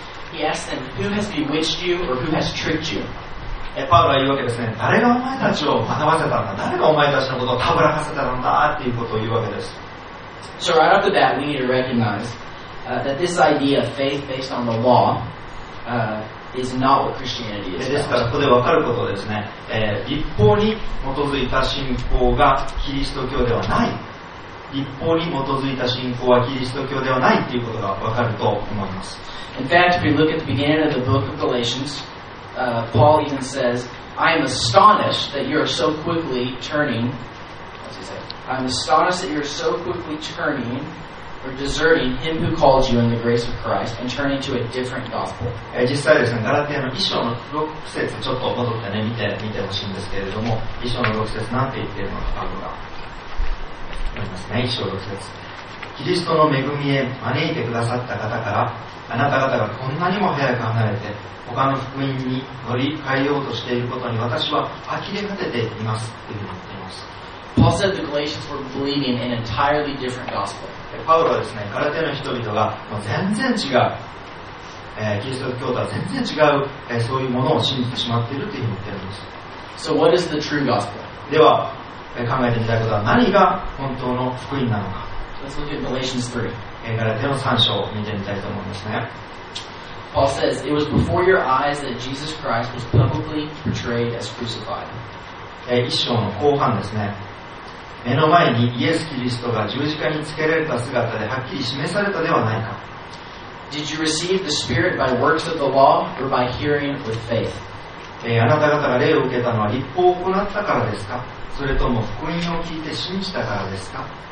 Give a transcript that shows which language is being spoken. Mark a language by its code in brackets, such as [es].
[en] He asks them, who has bewitched you or who has tricked you? [ja] パウロは言うわけですね、誰がお前たちを惑わせたんだ、誰がお前たちのことをたぶらかせたんだっていうことを言うわけです。 [en] So right off the bat, we need to recognize that this idea of faith based on the law is not what Christianity is. [ja] ですからここで分かることですね、立法に基づいた信仰がキリスト教ではない、立法に基づいた信仰はキリスト教ではないということが分かると思います。 [en] In fact, if we look at the beginning of the book of Galatians, Paul even says, I am astonished that you are so quickly turning, I'm astonished that you are so quickly turning or deserting him who called you in the grace of Christ and turning to a different gospel. [ja] 実際ですね、ガラテヤの1章の6節ちょっと戻ってね、見てほしいんですけれども、1章の6節なんて言っているのかがありますね。1章6節、キリストの恵みへ招いてくださった方から、あなた方がこんなにも早く離れて他の福音に乗り換えようとしていることに私は呆れ果てていますというふうに言っています。 [en] Paul said the Galatians were believing an entirely different gospel. [ja] パウロはですね、ガラテヤの人々が全然違う、キリスト教とは全然違う、そういうものを信じてしまっているというふうに言っているんです。 [en] So what is the true gospel? [ja] では、考えてみたいことは何が本当の福音なのか。 [en] Let's look at Galatians 3. [ja] ガラテヤの3章を見てみたいと思いますね。 [en] Paul says, it was before your eyes that Jesus Christ was publicly portrayed as crucified. [ja] 1章の後半ですね。目の前にイエス・キリストが十字架につけられた姿ではっきり示されたではないか。 [en] Did you receive the Spirit by works of the law or by hearing with faith? [ja] あなた方が霊を受けたのは律法を行ったからですか？それとも福音を聞いて信じたからですか？